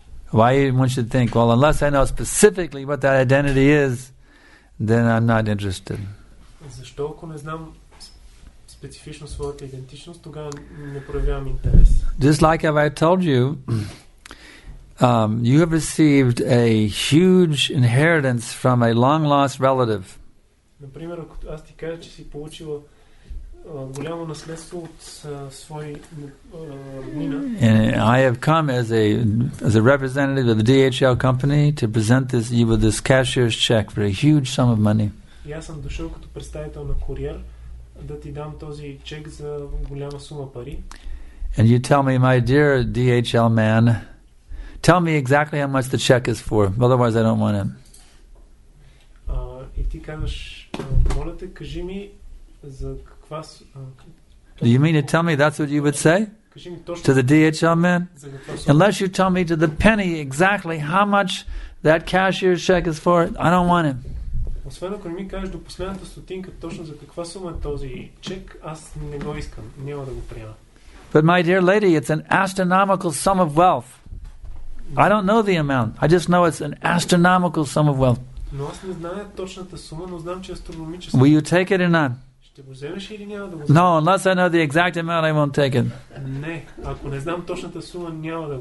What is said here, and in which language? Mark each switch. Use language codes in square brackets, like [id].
[en] Why one should think, well, unless I know specifically what that identity is, then I'm not interested. [bg] Защо ако не знам специфично своята идентичност, тогава не проявявам интерес? [en] Just like I told you, you have received a huge inheritance from a long lost relative. [bg] Например, ако аз ти кажа, че си получила голямо наследство от свой роднина. [en] And I have come as a representative of the DHL company to present this you with this cashier's check for a huge sum of money. [bg] И аз съм дошъл като представител на куриер да ти дам този чек за голяма сума пари. [en] And you tell me, my dear DHL man, tell me exactly how much the check is for, otherwise I don't want it. [bg] И ти казваш, моля те, кажи ми за каква... [en] Do you mean to tell me that's what you would say? [bg] Кажи ми точно [en] to the DHL man? Unless you tell me to the penny exactly how much that cashier's check is for, I don't want it. [bg] Освен ако не ми кажеш до последната стотинка точно за каква сума е този чек, аз не го искам, няма да го приема. [en] But my dear lady, it's an astronomical sum of wealth. I don't know the amount. I just know it's an astronomical sum of wealth. [bg] Но аз не знам точната сума, но знам, че е астрономическа. [en] Will you take it or not? [bg] Ще го вземеш или няма да го вземеш? [en] No, unless I know the exact amount, I won't take it. [bg] Не, ако не знам точната сума, няма да го